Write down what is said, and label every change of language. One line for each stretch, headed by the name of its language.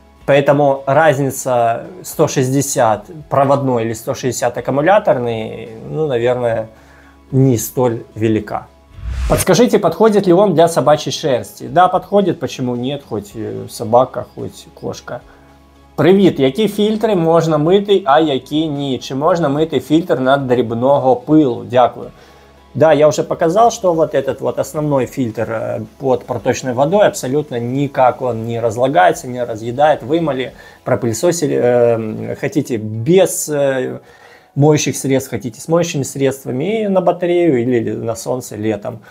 Russian: Поэтому разница 160 проводной или 160 аккумуляторный, ну, наверное, не столь велика. Подскажите, подходит ли он для собачьей шерсти? Да, подходит, почему нет, хоть собака, хоть кошка.
Ukrainian: Привіт, які фільтри можна мити, а які ні? Чи можна мити фільтр на дрібного пилу? Дякую.
Russian: Да, я уже показал, что вот этот вот основной фильтр под проточной водой абсолютно никак он не разлагается, не разъедает. Вымыли, пропылесосили, хотите без моющих средств, хотите с моющими средствами, и на батарею или на солнце летом.